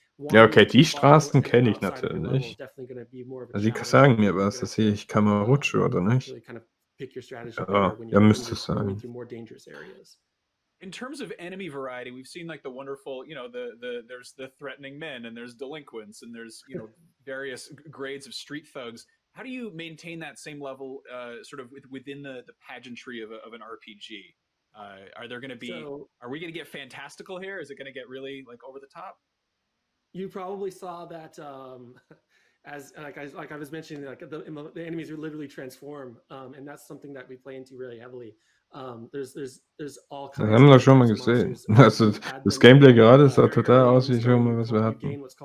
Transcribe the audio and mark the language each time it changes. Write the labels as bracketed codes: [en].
[de] Ja, okay, die Straßen kenne ich natürlich. Also, sie sagen mir was, dass ich Kamarutsche oder nicht? Ja, müsste es sein. [en] In terms of enemy variety, we've seen like the wonderful, you know, there's the threatening men and there's delinquents and there's, you know, various grades of street thugs. How do you maintain that same level sort of within the pageantry of an RPG? Are there going to be, are we going to get fantastical here? Is it going to get really like over the top? You probably saw that as I was mentioning, like the enemies would literally transform. And that's something that we play into really heavily. [de] Das haben wir schon mal gesehen. Also das Gameplay gerade sah total aus wie schon mal, was wir hatten.